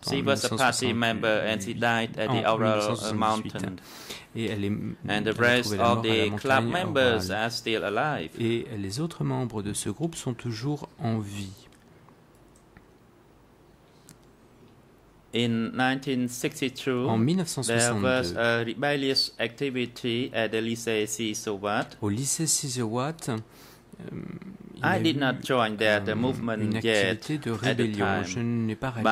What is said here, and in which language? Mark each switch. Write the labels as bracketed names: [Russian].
[English] She was a party member and she died at the Aural mountain. And the rest of the club members are still alive. [French] Et les autres membres de ce groupe sont toujours en vie. [English] In 1962, there was a rebellious activity at the Lycée Sisowat. [French] Au lycée Sisowat, [English] I did not join that movement yet [French] de rébellion. [English] At the time. [French] Je n'ai pas rallié